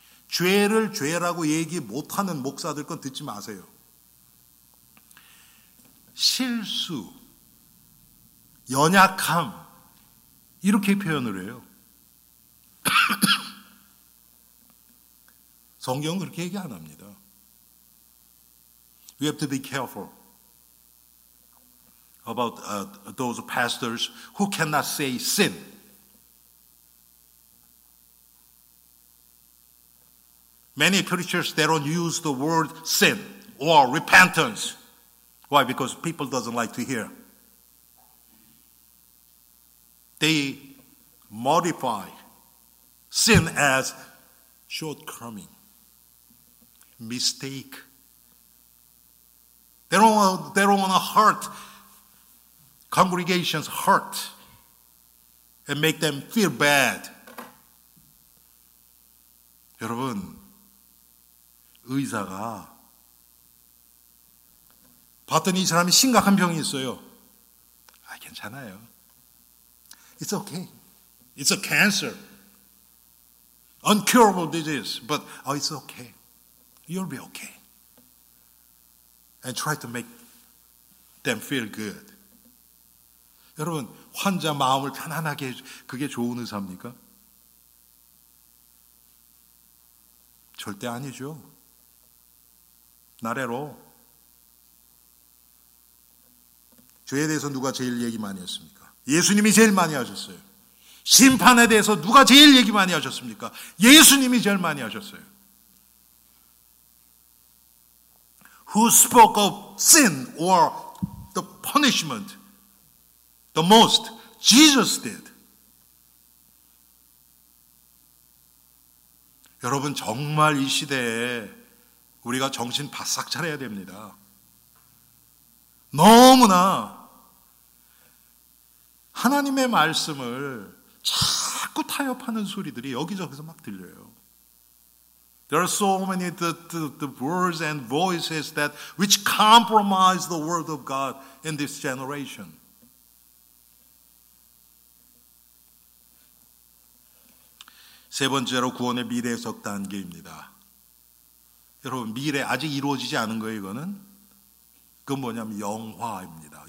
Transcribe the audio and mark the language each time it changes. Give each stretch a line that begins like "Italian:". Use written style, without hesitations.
Korean: 죄를 죄라고 얘기 못하는 목사들 건 듣지 마세요. 실수, 연약함, 이렇게 표현을 해요. 성경은 그렇게 얘기 안 합니다.
English: We have to be careful about those pastors who cannot say sin.
Korean: 많은
English: preachers, they don't use the word sin or repentance. Why? Because people doesn't like to hear. They modify sin as shortcoming, mistake. They don't want to hurt congregation's heart and make them feel bad.
Korean: 여러분, 의사가 봤더니 이 사람이 심각한 병이 있어요. 아, 괜찮아요.
English: It's okay. It's a cancer. Uncurable disease. But oh, it's okay. You'll be okay. And try to make them feel good.
Korean: 여러분, 환자 마음을 편안하게 해 그게 좋은 의사입니까? 절대 아니죠. 나래로. 죄에 대해서 누가 제일 얘기 많이 했습니까? 예수님이 제일 많이 하셨어요. 심판에 대해서 누가 제일 얘기 많이 하셨습니까? 예수님이 제일 많이 하셨어요.
English: Who spoke of sin or the punishment the most? Jesus did.
Korean: 여러분, 정말 이 시대에 우리가 정신 바싹 차려야 됩니다. 너무나 하나님의 말씀을 자꾸 타협하는 소리들이 여기저기서 막 들려요.
English: There are so many the words and voices that which compromise the word of God in this generation.
Korean: 세 번째로 구원의 미래 해석 단계입니다. 여러분, 미래 아직 이루어지지 않은 거예요, 이거는. 그건 뭐냐면 영화입니다.